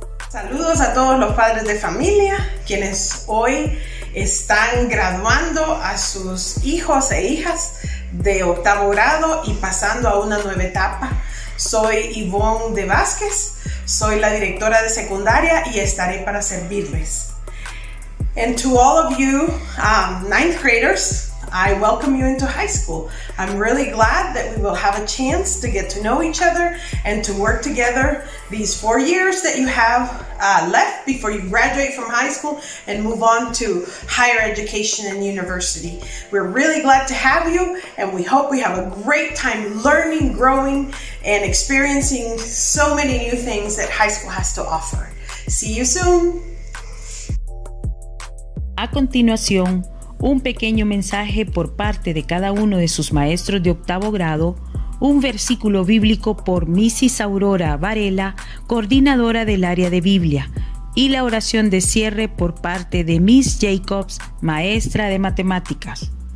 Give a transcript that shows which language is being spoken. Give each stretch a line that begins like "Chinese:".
Spanish: Saludos a todos los padres de familia, quienes hoy están graduando a sus hijos e hijas de octavo grado y pasando a una nueva etapa. Soy Ivonne de Vázquez, soy la directora de secundaria y estaré para servirles.
English: And to all of you ninth graders, I welcome you into high school. I'm really glad that we will have a chance to get to know each other and to work together these 4 years that you have left before you graduate from high school and move on to higher education and university. We're really glad to have you, and we hope we have a great time learning, growing, and experiencing so many new things that high school has to offer. See you soon.
Spanish: A continuación, un pequeño mensaje por parte de cada uno de sus maestros de octavo grado, un versículo bíblico por Mrs. Aurora Varela, coordinadora del área de Biblia, y la oración de cierre por parte de Miss Jacobs, maestra de matemáticas.